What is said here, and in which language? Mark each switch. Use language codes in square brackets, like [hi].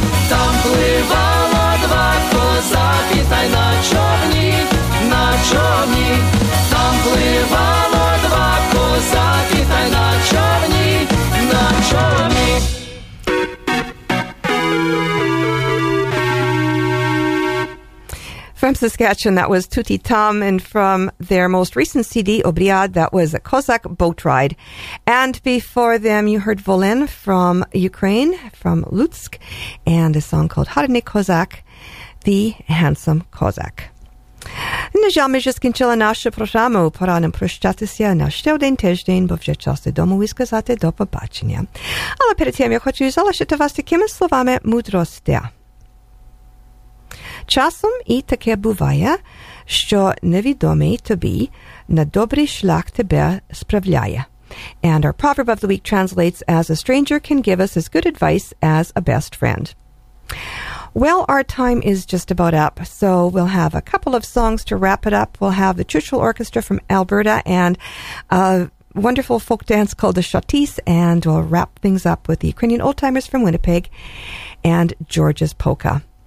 [uk] Там пливало два козаки, та й на човні, на човні. Там пливало два козаки, та й на човні, на човні. [en] From Saskatchewan, that was Tutti Tam, and from their most recent CD, Obriad, that was a Cossack boat ride. And before them, you heard Volin from Ukraine, from Lutsk, and a song called Harny Kozak, the Handsome Cossack. [uk] Нежами ж скінчила наша програма. Пора нам прощатися на ще один тиждень, бо вже час додому і сказати до побачення. Але перед тим я хочу залишити вас такими словами мудрості. Часом і таке буває, що невідомий тобі на добрий шлях тебе справляє. [en] And our proverb of the week translates as a stranger can give us as good advice as a best friend. Well, our time is just about up, so we'll have a couple of songs to wrap it up. We'll have the Churchill Orchestra from Alberta and a wonderful folk dance called the Shatis, and we'll wrap things up with the Ukrainian Old Timers from Winnipeg and George's Polka.